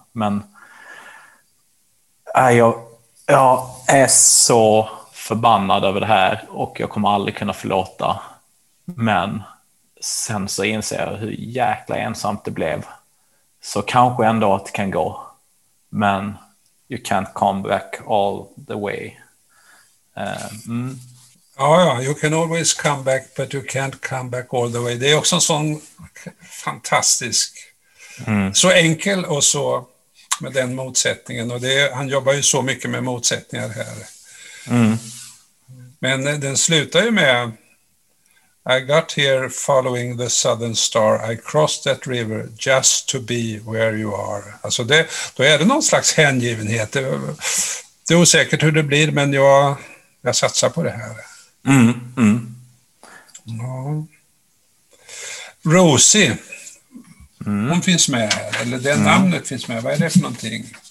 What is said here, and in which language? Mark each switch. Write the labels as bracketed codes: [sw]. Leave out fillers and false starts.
[sv] Men jag är så förbannad över det här och jag kommer aldrig kunna förlåta. Men sen så inser jag hur jäkla ensamt det blev. Så kanske ändå att det kan gå. Men [en] you can't come back all the way. You can always come back, but you can't come back all the way. [sv] Det är också en sån fantastisk, så enkel och så med den motsättningen. Och han jobbar ju så mycket med motsättningar här. Mm. Men den slutar ju med [en] I got here following the southern star. I crossed that river just to be where you are. [sv] Alltså det, då är det någon slags hängivenhet. Det är osäkert hur det blir, men jag satsar på det här. Ja. Rosie. Mm. Hon finns med här. Eller det namnet finns med. Vad är det för någonting?